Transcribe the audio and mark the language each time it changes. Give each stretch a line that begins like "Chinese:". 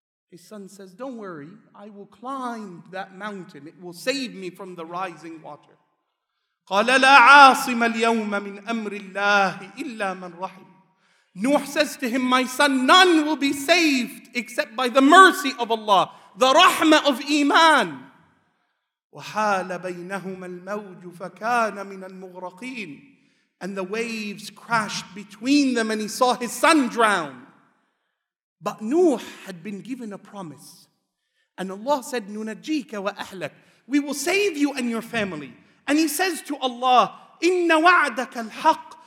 English: His son says, don't worry, I will climb that mountain. It will save me from the rising water.
Arabic: قَالَ لَا عَاصِمَ الْيَوْمَ مِنْ أَمْرِ اللَّهِ إِلَّا مَنْ رَحِمٍ.
English: Nuh says to him, my son, none will be saved except by the mercy of Allah, the rahmah of Iman.
Arabic: وحال بينهما الموج فكان من المغرقين.
English: And the waves crashed between them and he saw his son drown. But Nuh had been given a promise. And Allah said,
Arabic: نُنَجِّيكَ وَأَهْلَكَ.
English: We will save you and your family. And he says to Allah,
Arabic: إِنَّ وَعْدَكَ الْحَقِّ.